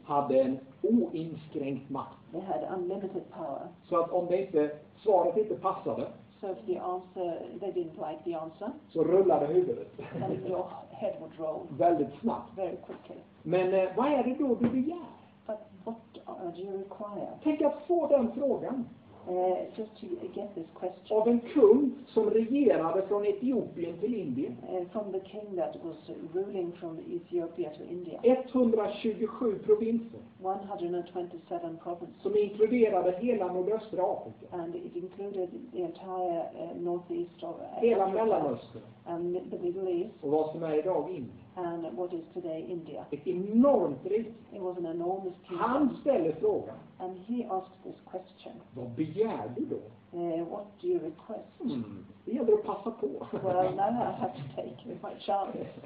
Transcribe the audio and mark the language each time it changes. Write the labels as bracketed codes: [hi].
[sv] hade en oinskränkt makt. [en] They had unlimited power. [sv] Så att om det inte, svaret inte passade. [en] So if the answer, they didn't like the answer. [sv] Så rullade huvudet. [en] And your head would roll. [sv] Väldigt snabbt. [en] Very quickly. [sv] Men vad är det då du begär? [en] But what do you require? [sv] Tänk att få den frågan. [en] Just to get this question. [sv] Av en kung som regerade från Etiopien till Indien. [en] From the king that was ruling from Ethiopia to India. [sv] 127 provinser. [en] 127 provinces. [sv] Som inkluderade hela nordöstra Afrika. [en] And it included the entire northeast of Africa. [sv] Hela Mellanöstern. [en] And the Middle East. [sv] Och vad som är idag Indien. [en] And what is today India. [sv] Ett enormt rikt. [en] It was an enormous kingdom. [sv] Han ställer frågan. [en] And he asked this question. [sv] Vad begär du då? [en] What do you request? [sv] Det gäller att passa på. [en] Well, now I have to take my chance.